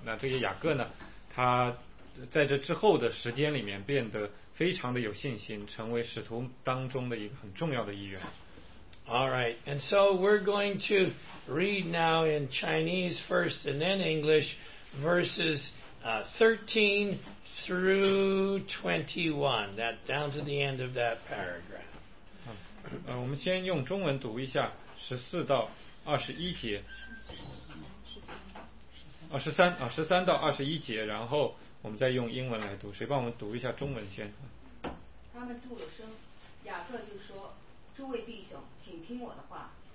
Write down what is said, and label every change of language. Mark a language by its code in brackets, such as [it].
[zh] 那这个雅各呢，他在这之后的时间里面变得非常的有信心，成为使徒当中的一个很重要的一员。 [en] All right, and so we're going to read now in Chinese first and then English, verses 13 through 21, that down to the end of that paragraph. [zh] 我们先用中文读一下14到21节。 13到21节，然后我们再用英文来读。谁帮我们读一下中文先？他们住了声，雅各就说，诸位弟兄，请听我的话。